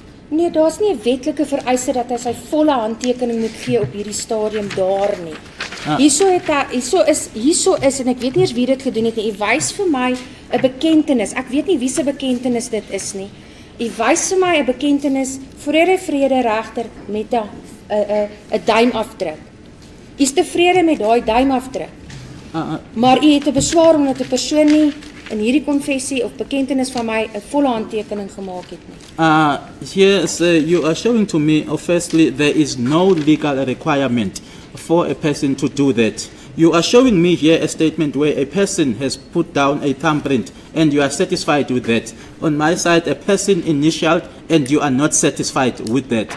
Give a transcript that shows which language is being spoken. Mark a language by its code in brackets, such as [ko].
[af] Nee, daar's nie 'n wetlike vereiste dat hy sy volle handtekening moet gee op hierdie stadium daar nie. Hierso is en ek weet nie eens wie dit gedoen het nie. Hy wys vir my 'n bekentenis. Ek weet nie wie se bekentenis dit is nie. Hy wys vir my 'n bekentenis vrede regter met 'n duimafdruk. Is tevrede met daai duimafdruk. Maar u het 'n beswaar omdat 'n persoon nie in hierdie konfessie of bekentenis van my 'n volle handtekening gemaak het nie. [en] You are showing to me, firstly, there is no legal requirement for a person to do that. You are showing me here a statement where a person has put down a thumbprint and you are satisfied with that. On my side, a person initialed and you are not satisfied with that.